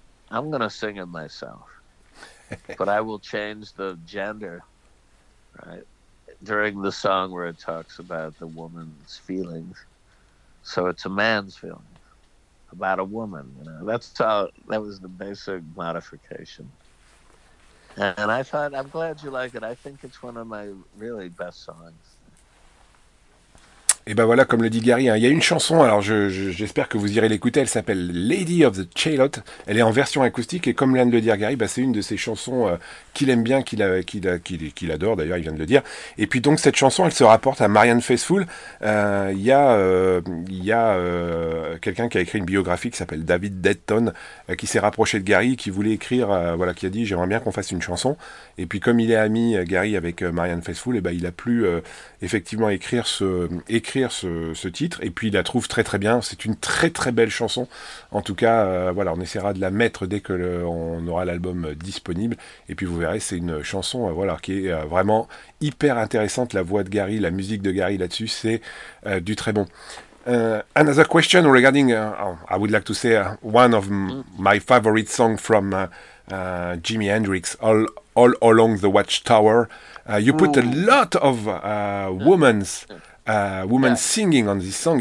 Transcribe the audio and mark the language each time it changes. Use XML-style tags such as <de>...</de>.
<en>I'm going to sing it myself. But I will change the gender, right, during the song where it talks about the woman's feelings. So it's a man's feeling about a woman, you know. That was the basic modification. And I thought, I'm glad you like it. I think it's one of my really best songs.</en> <fr>Et ben voilà, comme le dit Gary, hein, y a une chanson, alors j'espère que vous irez l'écouter, elle s'appelle Lady of the Chalot, elle est en version acoustique, et comme vient de le dire Gary, ben c'est une de ses chansons qu'il aime bien, qu'il adore d'ailleurs, il vient de le dire. Et puis donc cette chanson, elle se rapporte à Marianne Faithfull. Quelqu'un qui a écrit une biographie qui s'appelle David Detton, qui s'est rapproché de Gary, qui voulait écrire, voilà, qui a dit j'aimerais bien qu'on fasse une chanson. Et puis comme il est ami, Gary, avec Marianne Faithfull, et ben il a pu effectivement écrire ce titre, et puis il la trouve très très bien. C'est une très très belle chanson. En tout cas, voilà, on essaiera de la mettre dès que on aura l'album disponible. Et puis vous verrez, c'est une chanson voilà, qui est vraiment hyper intéressante. La voix de Gary, la musique de Gary là-dessus, c'est du très bon.</fr> <en>Another question regarding I would like to say one of my favorite songs from Jimi Hendrix, All Along the Watchtower. You put a lot of women's singing on this song.</en>